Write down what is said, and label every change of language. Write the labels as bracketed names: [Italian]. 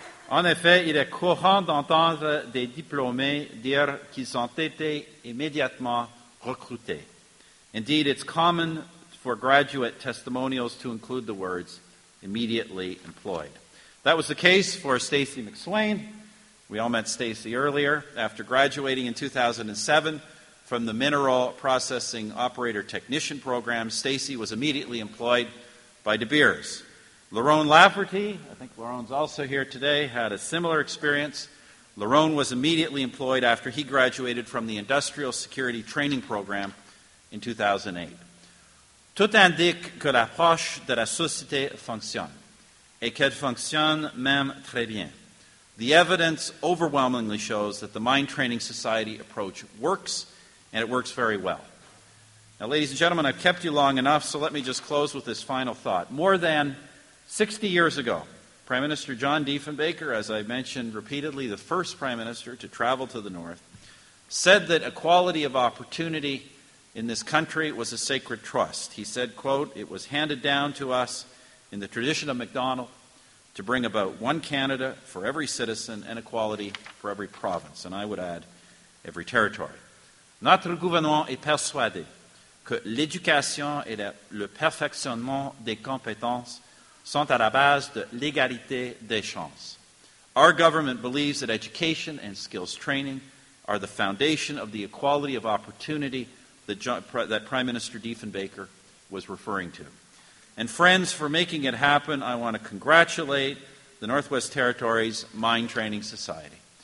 [French] En effet, il est courant d'entendre des diplômés dire qu'ils ont été immédiatement recruté. [English] Indeed, it's common for graduate testimonials to include the words immediately employed. That was the case for Stacey McSwain. We all met Stacey earlier. After graduating in 2007, from the Mineral Processing Operator Technician Program. Stacy was immediately employed by De Beers. Lerone Lafferty, I think Lerone's also here today, had a similar experience. Lerone was immediately employed after he graduated from the Industrial Security Training Program in 2008. [French] Tout indique que l'approche de la société fonctionne, et qu'elle fonctionne même très bien. [English] The evidence overwhelmingly shows that the Mine Training Society approach works, and it works very well. Now, ladies and gentlemen, I've kept you long enough, so let me just close with this final thought. More than 60 years ago, Prime Minister John Diefenbaker, as I mentioned repeatedly, the first Prime Minister to travel to the North, said that equality of opportunity in this country was a sacred trust. He said, quote, "It was handed down to us in the tradition of MacDonald to bring about one Canada for every citizen and equality for every province," and I would add, every territory. [French] Notre gouvernement est persuadé que l'éducation et le perfectionnement des compétences sont à la base de l'égalité des chances. [English] Our government believes that education and skills training are the foundation of the equality of opportunity that Prime Minister Diefenbaker was referring to. And friends, for making it happen, I want to congratulate the Northwest Territories Mine Training Society.